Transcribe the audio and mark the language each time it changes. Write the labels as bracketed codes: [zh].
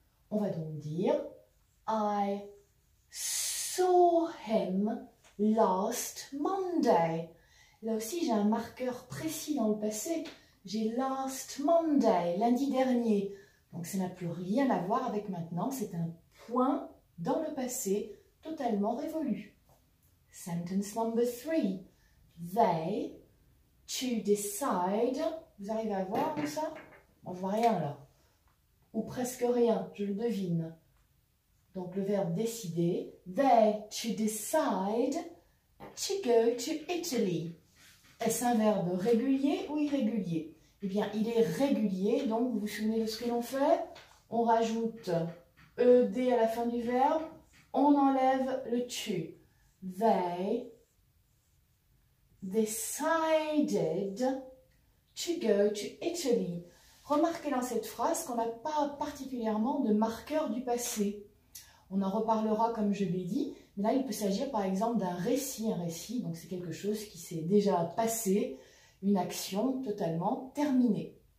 [fr] On va donc dire [en] I saw him last Monday. [fr] Là aussi, j'ai un marqueur précis dans le passé. J'ai last Monday, lundi dernier. Donc, ça n'a plus rien à voir avec maintenant. C'est un point dans le passé totalement révolu. [en] Sentence number three. They to decide. [fr] Vous arrivez à voir tout ça? On ne voit rien là. Ou presque rien, je le devine. Donc le verbe décider. [en] They to decide to go to Italy. [fr] Est-ce un verbe régulier ou irrégulier? Eh bien, il est régulier, donc vous vous souvenez de ce que l'on fait? On rajoute ed à la fin du verbe. On enlève le to. [en] They decided to go to Italy. [fr] Remarquez dans cette phrase qu'on n'a pas particulièrement de marqueur du passé. On en reparlera, comme je l'ai dit, Là, il peut s'agir par exemple d'un récit. Un récit, donc c'est quelque chose qui s'est déjà passé, une action totalement terminée.